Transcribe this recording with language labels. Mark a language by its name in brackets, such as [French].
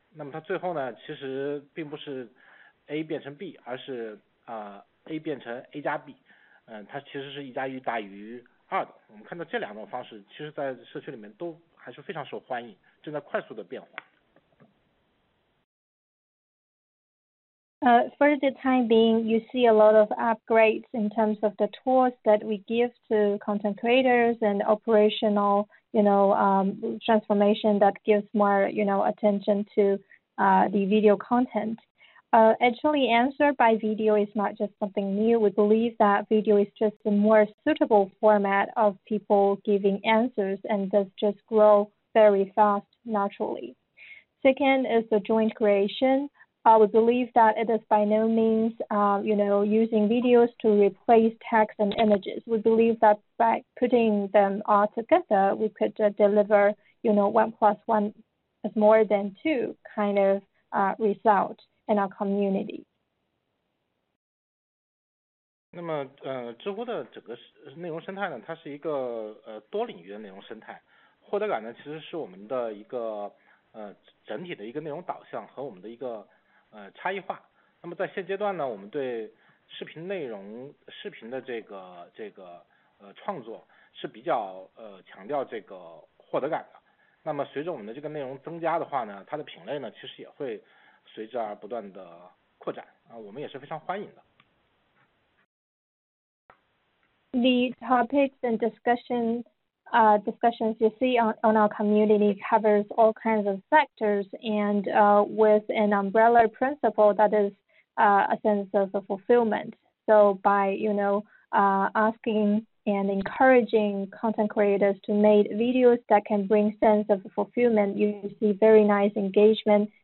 [Chinese] 那么它最后呢其实并不是 A 变成 B， 而是A 变成 A 加 B， 它其实是一加一大于二的。我们看到这两种方式其实在社区里面都还是非常受欢迎，正在快速的变化。 [English] For the time being, you see a lot of upgrades in terms of the tools that we give to content creators and operational, transformation that gives more, attention to the video content. Actually, answer by video is not just something new. We believe that video is just a more suitable format of people giving answers and does just grow very fast naturally. Second is the joint creation. We believe that it is by no means, using videos to replace text and images. We believe that by putting them all together, we could deliver, one plus one is more than two kind of result. In our community. [Chinese] 那么知乎的整个内容生态呢，它是一个多领域的内容生态，获得感呢其实是我们的一个整体的一个内容导向和我们的一个差异化。那么在现阶段呢，我们对视频的这个创作是比较强调这个获得感的。那么随着我们的这个内容增加的话呢，它的品类呢其实也会随之而不断的扩展，我们也是非常欢迎的。 [English] The topics and discussions you see on our community covers all kinds of sectors, and with an umbrella principle that is a sense of fulfillment. So by asking and encouraging content creators to make videos that can bring sense of fulfillment, you see very nice engagement.